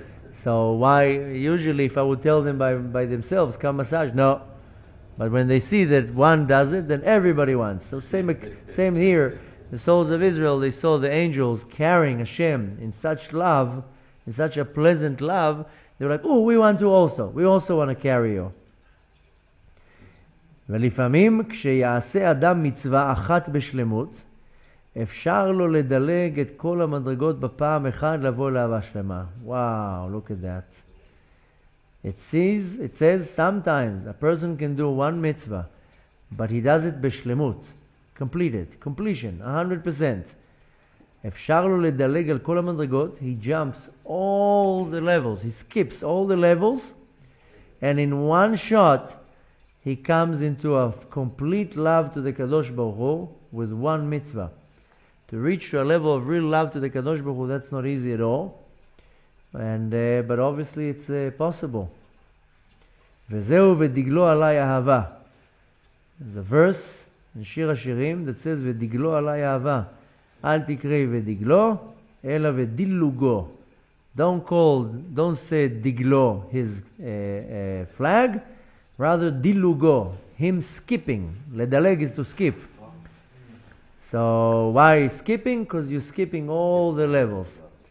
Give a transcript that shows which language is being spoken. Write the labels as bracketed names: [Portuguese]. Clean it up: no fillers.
[English] So why, usually if I would tell them by themselves, come massage, no. But when they see that one does it, then everybody wants. So same here, the souls of Israel, they saw the angels carrying Hashem in such love, in such a pleasant love, they were like, oh, we also want to carry you. [Hebrew] ולפעמים כשיעשה אדם מצווה אחת בשלמות, אפשר לו לדלג את כל המדרגות בפעם אחד לבוא לאהבה שלמה. [English] Wow, look at that. It says sometimes a person can do one mitzvah, but he does it בשלמות. Completed. Completion. 100%. [Hebrew] אפשר לו לדלג על כל המדרגות. [English] He jumps all the levels. He skips all the levels. And in one shot, he comes into a complete love to the Kadosh Baruch Hu with one mitzvah. To reach a level of real love to the Kadosh Baruch Hu, that's not easy at all. But obviously it's possible. [Hebrew] וזהו ודגלו עליי אהבה. [English] The verse in Shir HaShirim that says, [Hebrew] ודגלו עליי אהבה. אל תקרי ודגלו, אלא ודילוגו. [English] Don't say דגלו, his flag. Rather, דילוגו, him skipping. לדלג is to skip. So why skipping? Because you're skipping all the levels.